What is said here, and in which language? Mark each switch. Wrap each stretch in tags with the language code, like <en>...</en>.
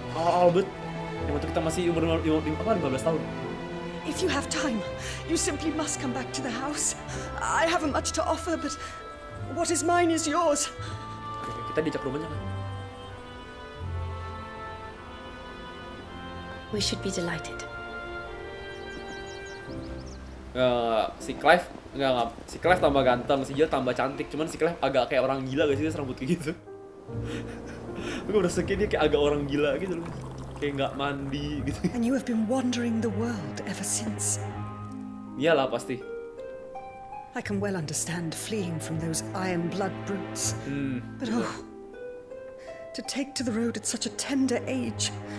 <id>Albert, yang waktu kita masih umur 15 tahun.</id> <en>If you have time, you simply must come back to the house. I haven't much to offer, but what is mine is yours.</en> <id>Kita diajak rumahnya kan?</id> <en>We should be delighted.</en> <id>Si Clive tambah ganteng, si Jill tambah cantik. Cuman si Clive agak kayak orang gila gak sih, dia rambut gitu. Aku udah sekian dia kayak agak orang gila gitu loh. Kayak gak mandi gitu.</id> <en>And you have been wandering the world ever since.</en> <id>Iyalah pasti.</id> <en>I can well understand fleeing from those iron blood brutes. But oh, to take to the road at such a tender age.</en>